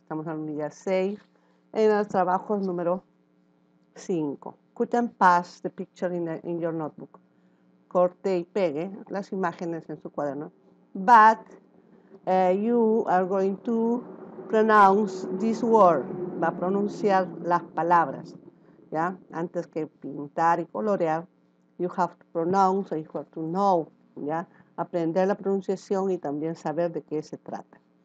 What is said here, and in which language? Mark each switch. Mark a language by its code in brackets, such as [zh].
[es] Estamos en la unidad 6 en el trabajo número 5. [en] Cut and paste the picture in your notebook. [es] Corte y pegue las imágenes en su cuaderno. [en] But you are going to pronounce this word. [es] Va a pronunciar las palabras. ¿Ya? Antes que pintar y colorear, [en] you have to pronounce, you have to know. [es] ¿Ya? Aprender la pronunciación y también saber de qué se trata.